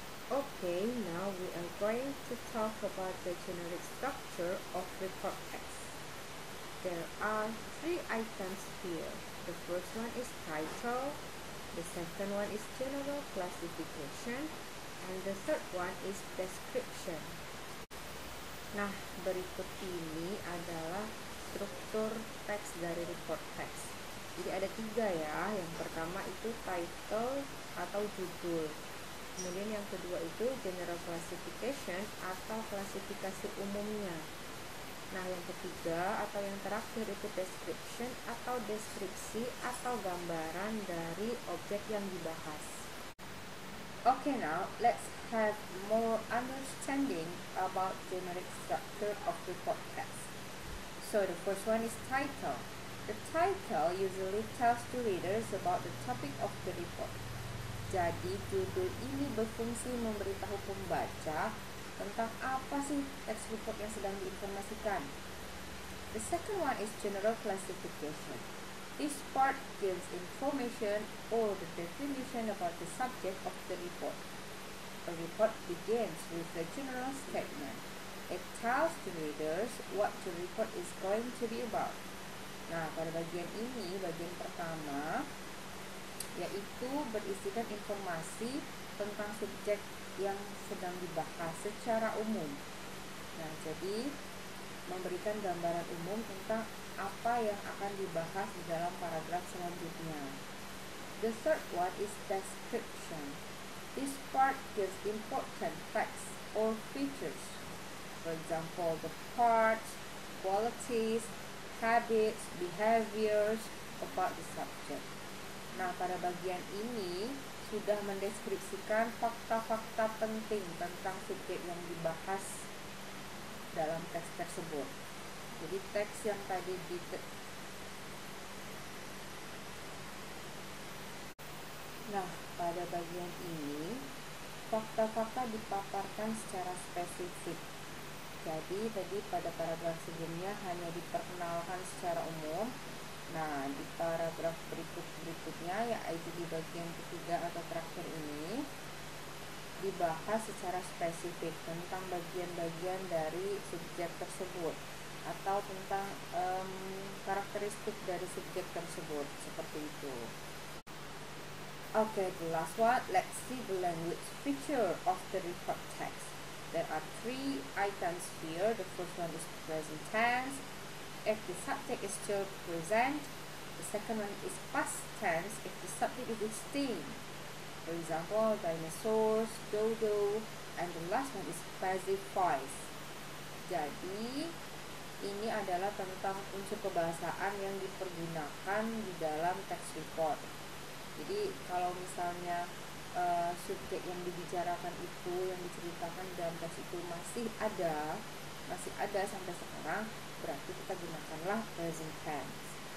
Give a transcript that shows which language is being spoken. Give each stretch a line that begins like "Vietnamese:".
English: Okay, now we are going to talk about the generic structure of report text. There are three items here. The first one is title, the second one is general classification, and the third one is description.
Indonesian: Nah, berikut ini adalah struktur teks dari report text. Jadi ada tiga ya. Yang pertama itu title atau judul. Kemudian yang kedua itu general classification atau klasifikasi umumnya. Nah, yang ketiga atau yang terakhir itu description atau deskripsi atau gambaran dari objek yang dibahas.
English: Okay, now let's have more understanding about generic structure of report text. So the first one is title. The title usually tells the readers about the topic of the report.
Indonesian: Jadi, judul ini berfungsi memberitahu pembaca tentang apa sih teks report yang sedang diinformasikan.
English: The second one is general classification. This part gives information or the definition about the subject of the report. A report begins with a general statement. It tells the readers what the report is going to be about.
Indonesian: Nah, pada bagian ini, bagian pertama, yaitu berisikan informasi tentang subjek yang sedang dibahas secara umum. Nah, jadi memberikan gambaran umum tentang apa yang akan dibahas di dalam paragraf selanjutnya.
English: The third one is description. This part gives important facts or features. For example, the parts, qualities, habits, behaviors about the subject.
Indonesian: Nah, pada bagian ini sudah mendeskripsikan fakta-fakta penting tentang subjek yang dibahas dalam teks tersebut. Jadi teks yang tadi di Nah, pada bagian ini fakta-fakta dipaparkan secara spesifik. Jadi tadi pada paragraf sebelumnya hanya diperkenalkan secara umum. Nah, di paragraf berikut-berikutnya, yaitu di bagian ketiga atau terakhir ini, dibahas secara spesifik tentang bagian-bagian dari subjek tersebut atau tentang karakteristik dari subjek tersebut, seperti itu.
English: Okay, the last one, let's see the language feature of the report text. There are three items here. The first one is present tense, if the subject is still present. The second one is past tense, if the subject is extinct. For example, dinosaurs, dodo, and the last one is passive voice.
Indonesian: Jadi, ini adalah tentang unsur kebahasaan yang dipergunakan di dalam text report. Jadi kalau misalnya subjek yang dibicarakan itu, yang diceritakan dalam teks itu masih ada sampai sekarang, berarti kita gunakanlah present tense.